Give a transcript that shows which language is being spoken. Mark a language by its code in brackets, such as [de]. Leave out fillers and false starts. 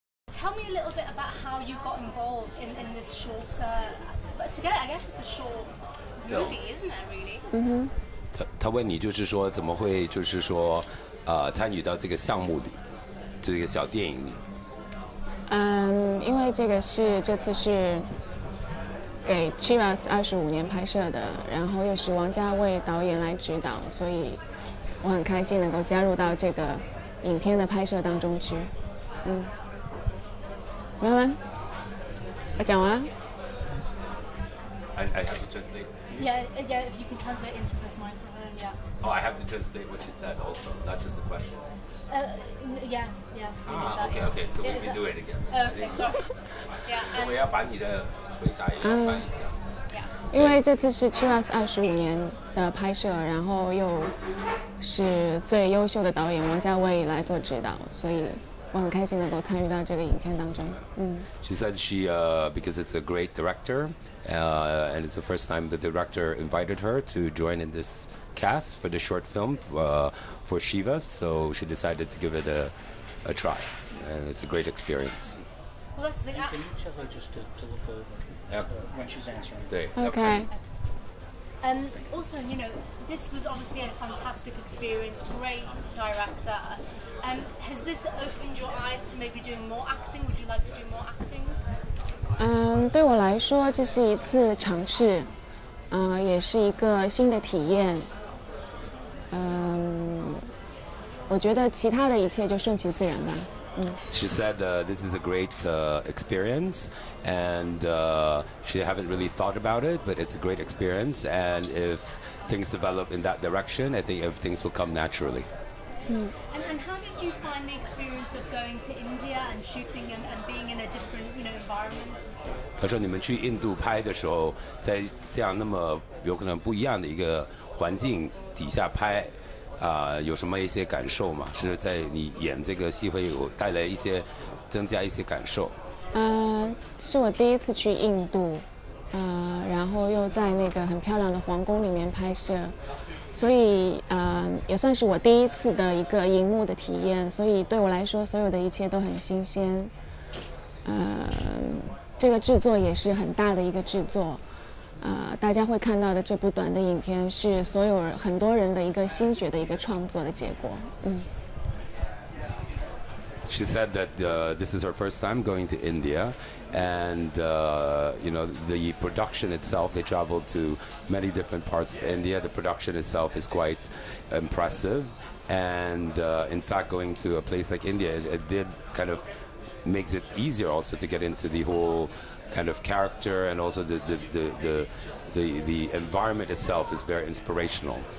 [en] tell me a little bit about how you got involved in this shorter, but together, I guess it's a short movie, isn't it, really? Mm-hmm. [zh] 他问你就是说怎么会就是说参与到这个项目里这个小电影里嗯，因为这个是这次是给 Chivas 25年拍摄的然后又是王家卫导演来指导所以我很开心能够加入到这个影片的拍摄当中去嗯，慢慢我讲完了 [en] I have to translate yeah if you can translate into this microphoneYeah. Oh, I have to translate what she said also, not just the question. Okay. So we do it again. Okay, sorry. Yeah. [zh] 我要把你的回答也翻一下。因为这次是 Chivas 25年的拍摄然后又是最优秀的导演王家卫来做指导所以我很开心能够参与到这个影片当中、 [en] She said she, because it's a great director, and it's the first time the director invited her to join in this cast for the short film for Chivas, so she decided to give it a try, and it's a great experience. Well, that's the app. Can you tell her just to look over? When she's answering. Okay. And also, you know, this was obviously a fantastic experience, great director. And has this opened your eyes to maybe doing more acting? Would you like to do more acting? [zh] 对我来说，这是一次尝试，也是一个新的体验。我觉得其他的一切就顺其自然吧。 [en] She said this is a great experience and she haven't really thought about it but it's a great experience and if things develop in that direction I think if things will come naturally、 And how did you find the experience of going to India and shooting and being in a different you know, environment? [zh] 她说你们去印度拍的时候在这样那么有可能不一样的一个环境底下拍有什么一些感受吗是在你演这个戏会有带来一些增加一些感受这是我第一次去印度然后又在那个很漂亮的皇宫里面拍摄所以也算是我第一次的一个荧幕的体验所以对我来说所有的一切都很新鲜这个制作也是很大的一个制作大家会看到的这部短的影片是所有人很多人的一个心血的一个创作的结果 [en] She said that this is her first time going to India and you know the production itself they traveled to many different parts of India the production itself is quite impressive and in fact going to a place like India it did kind of makes it easier also to get into the whole kind of character and also the environment itself is very inspirational.